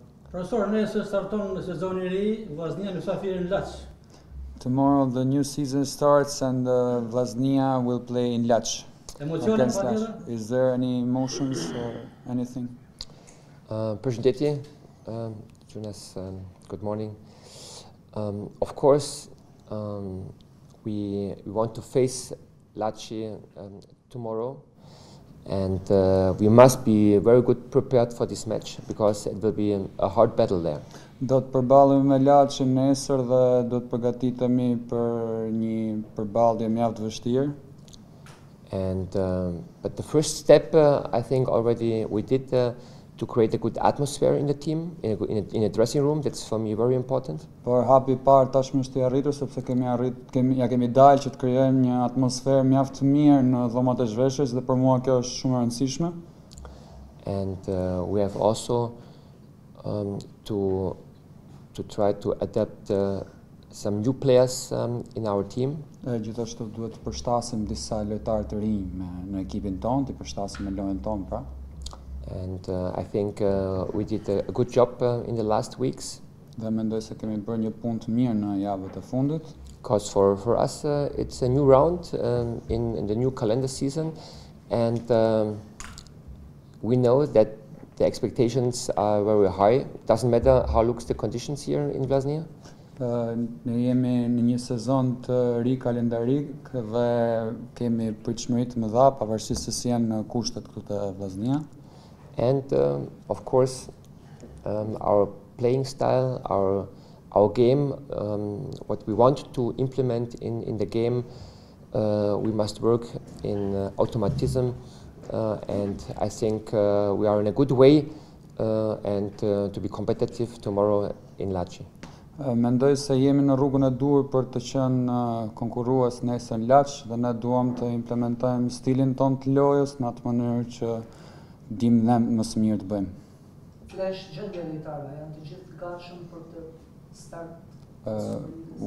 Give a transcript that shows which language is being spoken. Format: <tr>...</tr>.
<sq>Profesor, ne se starton sezoni ri, Vllaznia mysafir në Laç.</sq> <en>Tomorrow the new season starts and Vllaznia will play in Laç.</en> <sq>Emocionet pa tjetër?</sq> <en>Is there any emotions or anything?</en> <sq>Përshëndetje,</sq> <en>Jonas, good morning. Of course, we want to face Laci tomorrow, and we must be very good prepared for this match because it will be a hard battle there.</en> <sq>Do të përballemi me Laçin nesër dhe do të përgatitemi për një përballje mjaft të vështirë.</sq> <en>And but the first step I think already we did to create a good atmosphere in the team, in a dressing room, that's for me very important.</en> <sq>Por hapi parë tashmë është i arritur sepse kemi dalë që të krijojmë një atmosferë mjaft të mirë në dhomat e zhveshjes dhe për mua kjo është shumë e rëndësishme.</sq> <en>And we have also to try to adapt some new players in our team.</en> <sq>Gjithashtu duhet të përshtasim disa lojtarë të rinj në ekipin tonë, të përshtasim me lojën tonë pra.</sq> <en>And I think we did a good job in the last weeks.</en> <sq>Dhe mendoj se kemi bërë një punë të mirë në javët e fundit.</sq> <en>Because for us it's a new round in the new calendar season, and we know that the expectations are very high. Doesn't matter how looks the conditions here in Vllaznia.</en> <sq>Ne jemi në një sezon të ri kalendarik dhe kemi pritshmëri të mëdha pavarësisht se si janë kushtet këtu te Vllaznia.</sq> <en>And of course our playing style, our game, what we want to implement in the game, we must work in automatism, and I think we are in a good way and to be competitive tomorrow in Laçi.</en> <sq>Mendoj se jemi në rrugën e duhur për të qenë konkurues nesër në Laç dhe ne duam të implementojmë stilin tonë të lojës në atë mënyrë që dim ne më së mirë të bëjmë. Flesh gjendja lojtarëve, janë të gjithë gatshëm për të start?</sq>